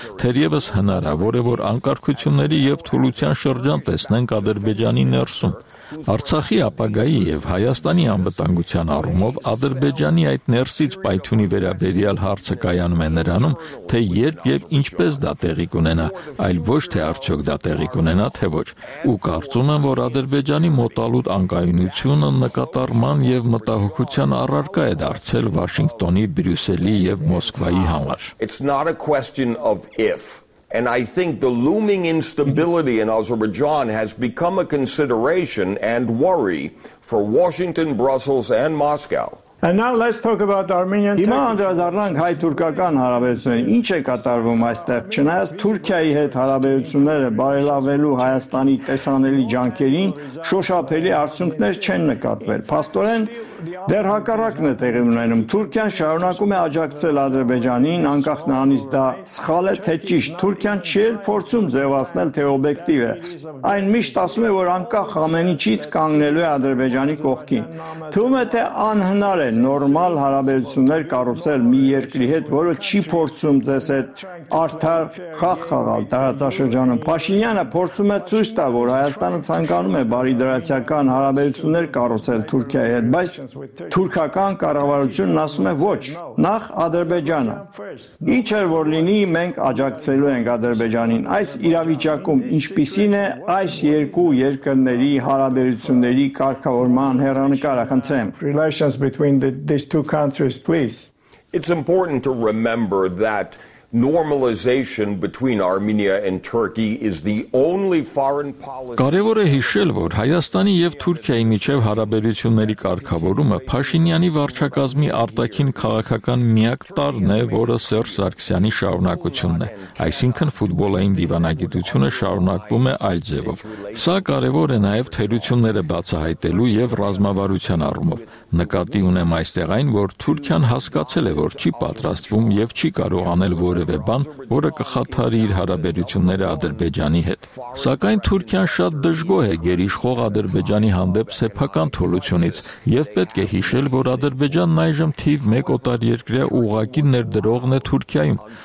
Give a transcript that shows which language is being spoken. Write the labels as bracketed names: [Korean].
[Armenian] թերևս հնարավոր է, որ անկարգությունների և թուլության շրջան տեսնենք Ադրբեջանի ներսում։ Արցախի ապագայի և Հայաստանի անվտանգության առումով Ադրբեջանի այդ ներսից պայթյունի վերաբերյալ հարցը կայանում է նրանում, թե երբ և ինչպես դա տեղի կունենա, այլ ոչ թե արդյոք դա տեղի կունենա, թե ոչ, ու կարծում եմ, որ Ադրբեջանի մոտալուտ անկայունությունը նկատառման և մտահոգության առարկա է դարձել Վաշինգտոնի, Բրյուսելի և Մոսկվայի համար։ [English] And I think the looming instability in Azerbaijan has become a consideration and worry for Washington, Brussels, and Moscow. And now let's talk about Armenian. [Armenian] Հիմա անդրադառնանք հայ-թուրքական հարաբերությունների։ Ինչ է կատարվում այստեղ։ Չնայած Թուրքիայի հետ հարաբերությունները բարելավելու Հայաստանի տեսանելի ջանքերին, շոշափելի արդյունքներ չեն նկատվել։ Փաստորեն դեր հակառակն է տեղի ունենում։ Թուրքիան շարունակում է աջակցել Ադրբեջանին, անկախ նրանից դա սխալ է թե ճիշտ։ Թուրքիան չի փորձում ձևացնել, թե օբյեկտիվ է։ Այն միշտ ասում է, որ անկախ ամենիչից կանգնելու է Ադրբեջանի կողքին։ Թվում է, թե անհնար է նորմալ հարաբերություններ կառուցել մի երկրի հետ, որը չի փորձում ձեզ հետ արդար խաղ խաղալ տարածաշրջանում։ Պաշինյանը փորձում է ցույց տալ, որ Հայաստանը ցանկանում է բարիդրացական հարաբերություններ կառուցել Թուրքիայի հետ, բայց թուրքական կառավարությունն ասում է ոչ, նախ Ադրբեջանը։ Ինչ էլ որ լինի, մենք աջակցելու ենք Ադրբեջանին։ Այս իրավիճակում ինչպիսին է այս երկու երկրների հարաբերությունների կարգավորման հեռանկարը, խնդրեմ։ [English] Relations between these two countries, please. It's important to remember that normalization between Armenia and Turkey is the only foreign policy. [Armenian] Կարևոր է հիշել, որ Հայաստանի եւ Թուրքիայի միջև հարաբերությունների կարգավորումը Փաշինյանի վարչակազմի արտաքին քաղաքական միակ տարն է, որը Սերժ Սարգսյանի շարունակությունն է։ Այսինքն ֆուտբոլային դիվանագիտությունը շարունակվում է այլ ձևով։ Սա կարևոր է նաեւ թերությունները բացահայտելու եւ ռազմավարության առումով։ Նկատի ունեմ այստեղ այն, որ Թուրքիան հասկացել է, որ չի պատրաստվում եւ չի կարողանալ որևէ բան, որը կխաթարի իր հարաբերությունները Ադրբեջանի հետ։ Սակայն Թուրքիան շատ դժգոհ է գերիշխող Ադրբեջանի հանդեպ սեփական թուլությունից, և պետք է հիշել, որ Ադրբեջանն այժմ թիվ 1 օտար երկրի ուղակի ներդրողն է Թուրքիայում։